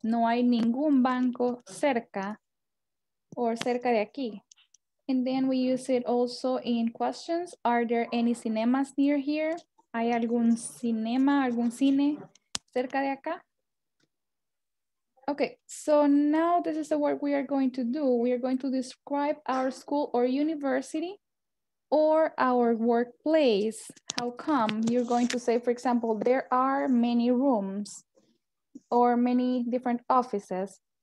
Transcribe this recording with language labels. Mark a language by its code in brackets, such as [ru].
[es] No hay ningún banco cerca or cerca de aquí. [en] And then we use it also in questions. Are there any cinemas near here? [es] ¿Hay algún cinema, algún cine cerca de acá? [en] Okay, so now this is the work we are going to do. We are going to describe our school or university or our workplace. How come? You're going to say, for example, there are many rooms or many different offices.